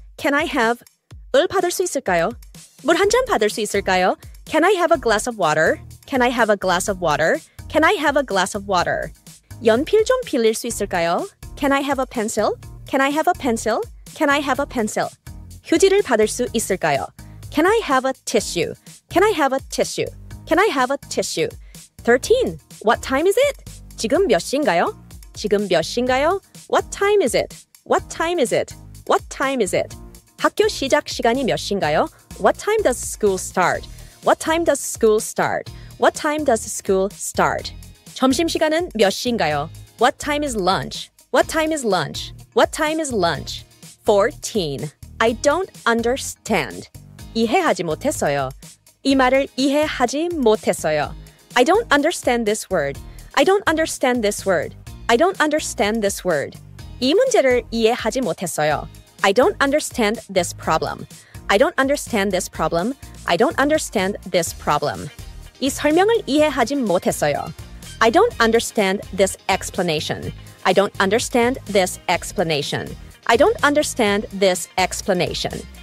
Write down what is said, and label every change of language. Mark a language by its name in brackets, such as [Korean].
[English] Can I have [Korean] 물 받을 수 있을까요? 물 한 잔 받을 수 있을까요? [English] Can I have a glass of water? Can I have a glass of water? Can I have a glass of water? [Korean] 연필 좀 빌릴 수 있을까요? [English] Can I have a pencil? Can I have a pencil? Can I have a pencil? [Korean] 휴지를 받을 수 있을까요? [English] Can I have a tissue? Can I have a tissue? Can I have a tissue? 13. What time is it? [Korean] 지금 몇 시인가요? 지금 몇 시인가요? [English] What time is it? What time is it? What time is it? [Korean] 학교 시작 시간이 몇 시인가요? [English] What time does school start? What time does school start? What time does school start? [Korean] 점심 시간은 몇 시인가요? [English] What time is lunch? What time is lunch? What time is lunch? 14. I don't understand. [Korean] 이해하지 못했어요. 이 말을 이해하지 못했어요. [English] I don't understand this word. I don't understand this word. I don't understand this word. [Korean] 이 문제를 이해하지 못했어요. [English] I don't understand this problem. I don't understand this problem. I don't understand this problem. [Korean] 이 설명을 이해하지 못했어요. [English] I don't understand this explanation. I don't understand this explanation. I don't understand this explanation.